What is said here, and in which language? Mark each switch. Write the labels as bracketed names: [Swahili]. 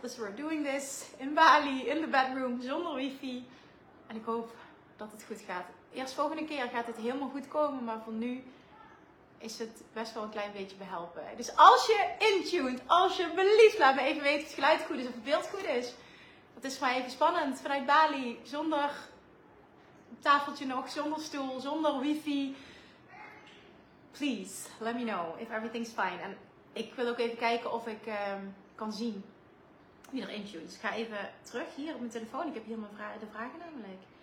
[Dutch] Dus [English] we're doing this in Bali, in the bedroom, [Dutch] zonder wifi. En ik hoop dat het goed gaat. Eerst volgende keer gaat het helemaal goed komen. Maar voor nu is het best wel een klein beetje behelpen. Dus als je intuned, alsjeblieft, laat me even weten of het geluid goed is of het beeld goed is. Het is maar even spannend vanuit Bali, zonder tafeltje nog, zonder stoel, zonder wifi. [English] Please, let me know if everything's fine. [Dutch] En ik wil ook even kijken of ik kan zien wie er intunes. Ik ga even terug hier op mijn telefoon. Ik heb hier de vragen namelijk.